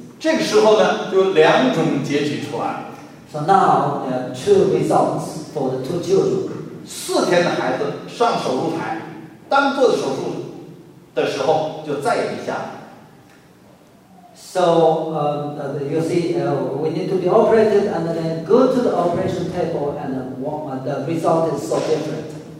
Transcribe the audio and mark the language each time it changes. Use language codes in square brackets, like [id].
[zh] 这个时候呢，就两种结局出来。So [en] now there are two results for the two children. [zh] 4天的孩子上手术台，当做手术。的时候就再也不下了。 [en] So, you see, we need to be operated and then go to the operation table and the result is so different.